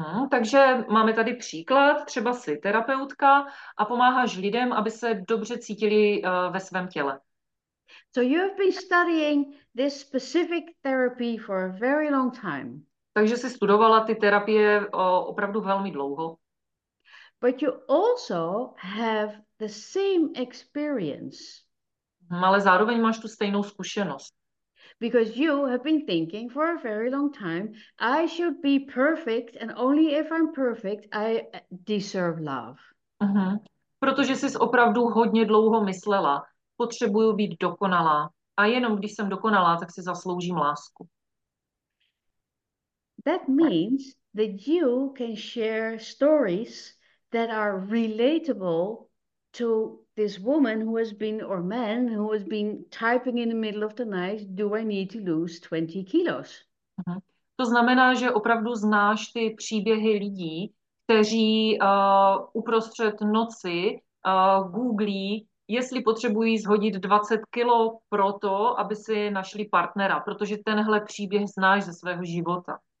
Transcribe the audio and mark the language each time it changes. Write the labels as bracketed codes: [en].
[cs] Takže máme tady příklad, třeba jsi terapeutka a pomáháš lidem, aby se dobře cítili ve svém těle. [en] So you have been studying this specific therapy for a very long time. [cs] Takže jsi studovala ty terapie opravdu velmi dlouho. [en] But you also have the same experience [cs] Ale zároveň máš tu stejnou zkušenost. [en] because you have been thinking for a very long time, I should be perfect, and only if I'm perfect, I deserve love. [cs] Protože jsi opravdu hodně dlouho myslela, potřebuju být dokonalá. A jenom když jsem dokonalá, tak si zasloužím lásku. [en] That means that you can share stories that are relatable to this woman who has been, or man who has been typing in the middle of the night, do I need to lose 20 kilos? [cs] To znamená, že opravdu znáš ty příběhy lidí, kteří uprostřed noci googlí, jestli potřebují shodit 20 kilo proto, aby si našli partnera, protože tenhle příběh znáš ze svého života.